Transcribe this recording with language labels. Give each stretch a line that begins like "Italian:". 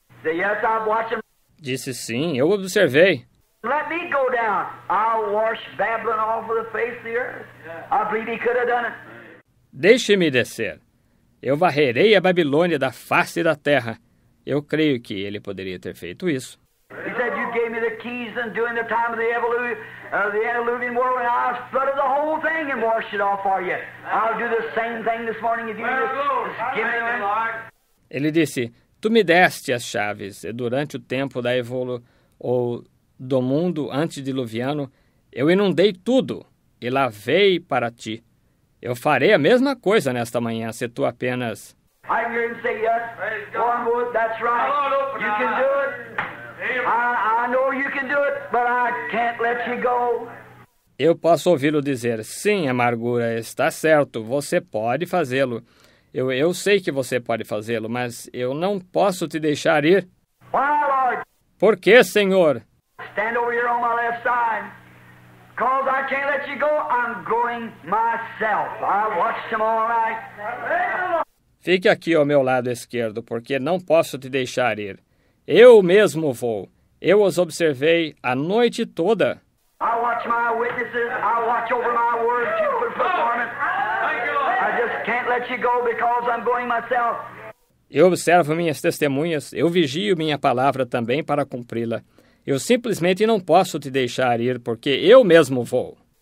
English: Yes, I'm watching.
Portuguese: Disse, sim, eu observei.
English: Let me go down. I'll wash Babylon off of the face of the earth. I believe he could have done it.
Portuguese: Deixe-me descer. Eu varrerei a Babilônia da face da terra. Eu creio que ele poderia ter feito isso.
English: He said you gave me the keys and during the time of the antediluvian world and I flooded the whole thing and washed it off for you. I'll do the same thing this morning if you just give me the Lord.
Portuguese: Ele disse, tu me deste as chaves e durante o tempo da evolu ou do mundo antediluviano, eu inundei tudo e lavei para ti. Eu farei a mesma coisa nesta manhã, se tu apenas...
English: I'm here and say yes. Praise God. Lord, that's right. Lord, you can do it. I know you can do it, but I can't let you go.
Portuguese: Eu posso ouvi-lo dizer, sim, amargura, está certo, você pode fazê-lo. Eu sei que você pode fazê-lo, mas eu não posso te deixar ir.
English: Why, Lord?
Portuguese: Por que, Senhor?
English: Stand over here on my left side. Because I can't let you go, I'm going myself. I watched them all night.
Portuguese: Fique aqui ao meu lado esquerdo, porque não posso te deixar ir. Eu mesmo vou. Eu os observei a noite toda.
English: I watch my witnesses. I watch over my word to performance. I just can't let you go because I'm going myself.
Portuguese: Eu observo minhas testemunhas. Eu vigio minha palavra também para cumpri-la. Eu simplesmente não posso te deixar ir, porque eu mesmo vou.